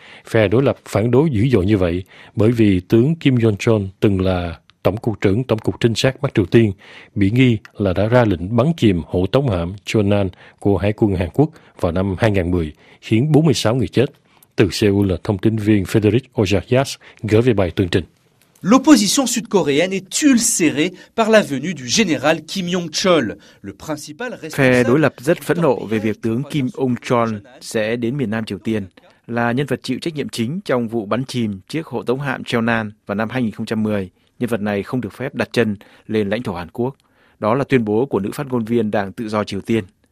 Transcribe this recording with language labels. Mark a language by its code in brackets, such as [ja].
[vi] Phe đối lập phản đối dữ dội như vậy bởi vì tướng Kim Jong-un từng là Tổng cục trưởng Tổng cục trinh sát Bắc Triều Tiên bị nghi là đã ra lệnh bắn chìm hộ tống hạm Chonan của Hải quân Hàn Quốc vào năm 2010, khiến 46 người chết. Từ Seoul là thông tin viên Frederick Ojakias gửi về bài tường trình. [fr] L'opposition sud-coréenne est ulcérée par la venue du général Kim Jong-chol. Le principal responsable. [vi] Phe đối lập rất phẫn nộ về việc tướng Kim Jong-chol sẽ đến miền Nam Triều Tiên, là nhân vật chịu trách nhiệm chính trong vụ bắn chìm chiếc hộ tống hạm Cheonan vào năm 2010. Nhân vật này không được phép đặt chân lên lãnh thổ Hàn Quốc. Đó là tuyên bố của nữ phát ngôn viên Đảng Tự do Triều Tiên.